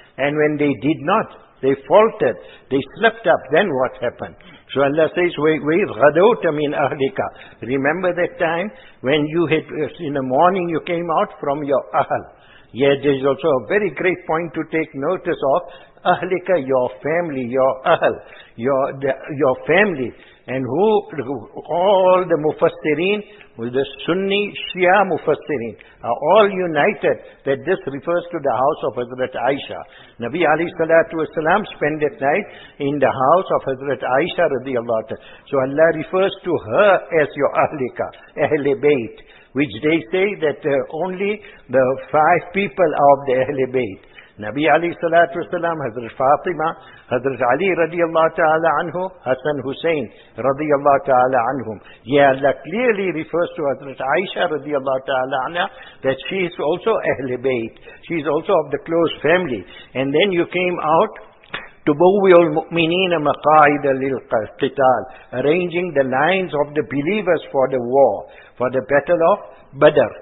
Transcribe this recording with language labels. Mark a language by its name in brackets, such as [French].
[English] And when they did not, they faltered, they slipped up, then what happened? So Allah says, [Arabic] وَإِذْ غَدَوْتَ مِنْ أَهْلِكَ. [English] Remember that time when you had, in the morning you came out from your ahl. Yeah, there is also a very great point to take notice of. Ahlika, your family, your ahl, your family. And who? All the mufassirin, the Sunni Shia mufassirin, are all united that this refers to the house of Hazrat Aisha. Nabi Ali Salatu Wasalam spent that night in the house of Hazrat Aisha radiallahu anha. So Allah refers to her as your ahlika, ahle bayt, which they say that only the five people are of the ahle bayt. [Arabic] نبي عليه الصلاة والسلام، حضرت فاطمة، حضرت علي رضي الله تعالى عنه، حسن حسين رضي الله تعالى عنهم. [English] Allah clearly refers to حضرت عائشة [Arabic] رضي الله تعالى عنها [English] that she is also أهل بيت. She is also of the close family. And then you came out [Arabic] تُبَوِّعُ الْمُؤْمِنِينَ مَقَاعِدَ لِلْقِتَالِ [English] arranging the lines of the believers for the war, for the battle of Badr.